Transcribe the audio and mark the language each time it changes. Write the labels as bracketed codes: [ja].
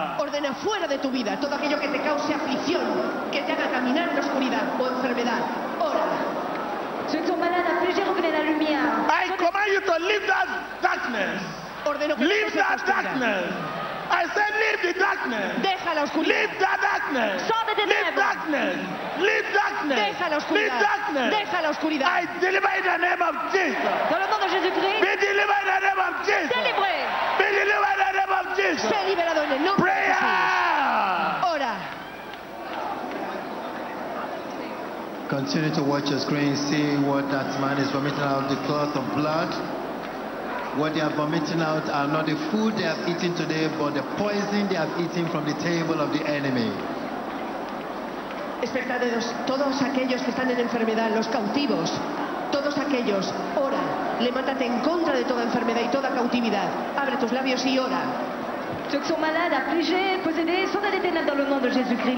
[es] Ordena fuera de tu vida todo aquello que te cause aflicción, que te haga caminar en la oscuridad o enfermedad. Ora. [fr] Ceux qui sont malades, appelez-les pour la lumière. [en] I command you to leave that darkness. Leave that darkness. I said, leave the darkness. [es] Deja la oscuridad. [en] Leave that darkness. Leave darkness. Leave darkness. [es] Deja la oscuridad. [en] Leave darkness. [es] Deja la oscuridad. [en] I deliver in the name of Jesus. [fr] Dans le nom de Jésus-Christ. [en] Be delivered in the name of Jesus. [fr] Délivré. [en] Be delivered in the name of Jesus. [es] Sé liberado en el nombre. [en] Prayer. [es] Ora. [en] Continue to watch your screen, see what that man is vomiting out, the cloth of blood. What they are vomiting out are not the food they have eaten today, but the poison they have eaten from the table of the enemy. [es] Espectadores, todos aquellos que están en enfermedad, los cautivos, todos aquellos, ora, levántate en contra de toda enfermedad y toda cautividad. Abre tus labios y ora. [fr] Ceux qui sont malades, affligés, possédés, sont dans les ténèbres dans le nom de Jésus-Christ.